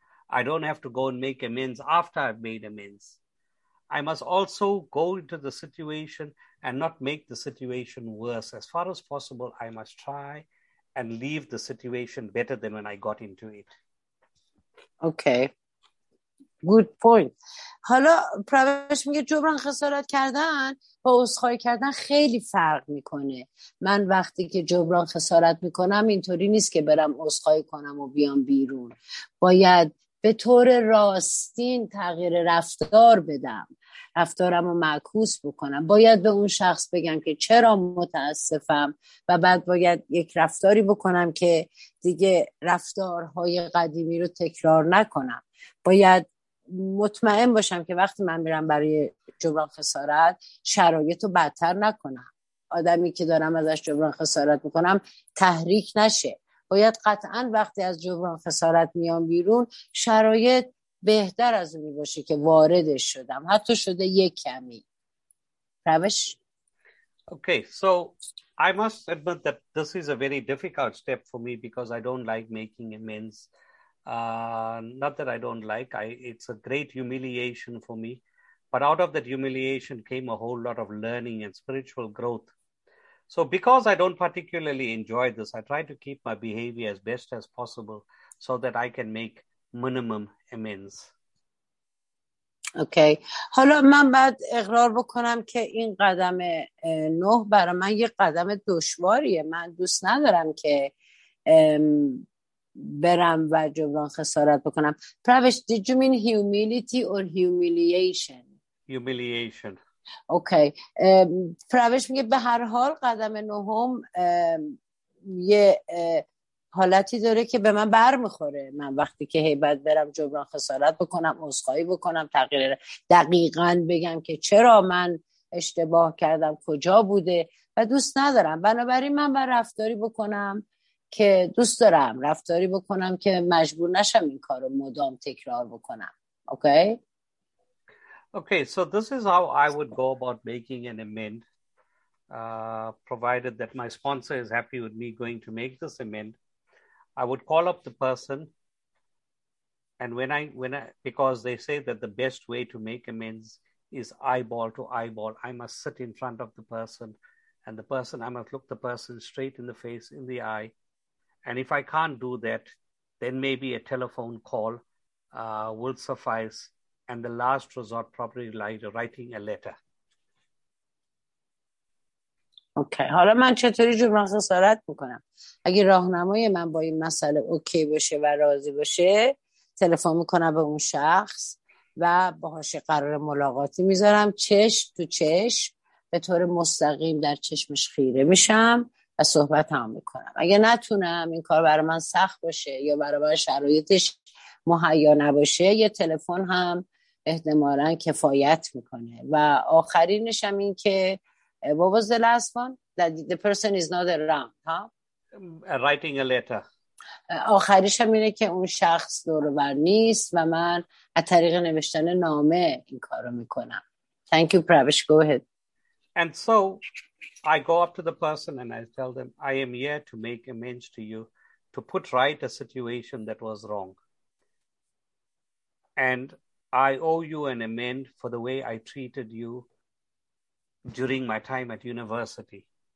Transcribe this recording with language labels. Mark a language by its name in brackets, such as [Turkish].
[English] I don't have to go and make amends after I've made amends. I must also go into the situation and not make the situation worse. As far as possible, I must try and leave the situation better than when I got into it. Okay. Good point. [Persian] حالا پروش میگه جبران خسارت کردن با عذرخواهی کردن خیلی فرق میکنه. من وقتی که جبران خسارت میکنم اینطوری نیست که برم عذرخواهی کنم و بیام بیرون. باید به طور راستین تغییر رفتار بدم. رفتارم رو معکوس بکنم. باید به اون شخص بگم که چرا متاسفم و بعد باید یک رفتاری بکنم که دیگه رفتارهای قدیمی رو تکرار نکنم. باید مطمئن باشم که وقتی من میرم برای جبران خسارت شرایط رو بدتر نکنم، آدمی که دارم ازش جبران خسارت میکنم تحریک نشه. باید قطعا وقتی از جبران خسارت میام بیرون شرایط بهتر از اونی باشه که واردش شدم، حتی شده یک کمی. روش؟ [English] Okay, so I must admit that this is a very difficult step for me because I don't like making amends. Not that I don't like, it's a great humiliation for me, but out of that humiliation came a whole lot of learning and spiritual growth. So because I don't particularly enjoy this, I try to keep my behavior as best as possible so that I can make minimum amends. [Persian] اوکی حالا من بعد اقرار بکنم که این قدم نه برای من یه قدم دشواریه. من دوست ندارم که برم و جبران خسارت بکنم. [English] Parvash, did you mean humility or humiliation? Humiliation. [Persian] اوکی. پروش میگه به هر حال قدم نهم یه حالتی داره که به من بر میخوره. من وقتی که هیبت برم جبران خسارت بکنم، عذرخواهی بکنم، تغییر دقیقا بگم که چرا من اشتباه کردم، کجا بوده و دوست ندارم. بنابراین من باید رفتاری بکنم که دوست دارم، رفتاری بکنم که مجبور نشم این کارو مدام تکرار بکنم. اوکی؟ [English] Okay, so this is how I would go about making an amend, provided that my sponsor is happy with me going to make this amend. I would call up the person, and when I because they say that the best way to make amends is eyeball to eyeball, I must sit in front of the person, and the person, I must look the person straight in the face, in the eye. And if I can't do that, then maybe a telephone call will suffice. And the last resort, probably like writing a letter. Okay. [Persian] حالا من چطوری جبران خسارت میکنم؟ اگه راهنمای من با این مسئله اوکی باشه و راضی باشه، تلفن میکنم به اون شخص و باهاش قرار ملاقاتی میذارم، چشم تو چشم، به طور مستقیم در چشمش خیره میشم و صحبت هم میکنم. اگه نتونم، این کار برای من سخت باشه یا برای من شرایطش مهیا نباشه، یه تلفن هم احتمالا کفایت میکنه. و آخرینش هم این که [English] what was the last one? That the person is not around, huh? Writing a letter. [Persian] آخریش هم اینه که اون شخص دوروبر نیست و من از طریق نوشتن نامه این کارو میکنم. Thank you, Pravesh. Go ahead. And so I go up to the person and I tell them, I am here to make amends to you, to put right a situation that was wrong. And I owe you an amend for the way I treated you during my time at university.